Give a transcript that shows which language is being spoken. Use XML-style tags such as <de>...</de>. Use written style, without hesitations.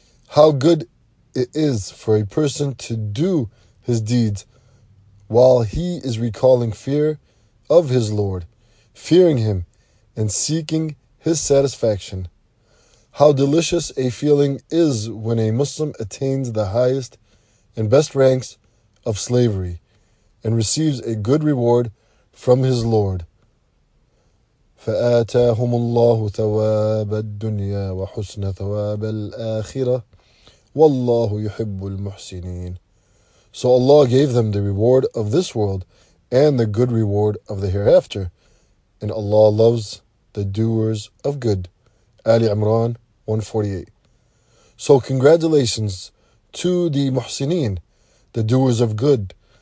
<en>How good it is for a person to do his deeds while he is recalling fear of his Lord, fearing him and seeking his satisfaction. How delicious a feeling is when a Muslim attains the highest and best ranks of slavery and receives a good reward from his Lord.</en> <ar>فآتاهم الله ثواب الدنيا وحسن ثواب الآخرة والله يحب المحسنين.</ar> <en>So Allah gave them the reward of this world and the good reward of the hereafter, and Allah loves the doers of good. Ali Imran 148. So congratulations to the muhsineen, the doers of good.</en>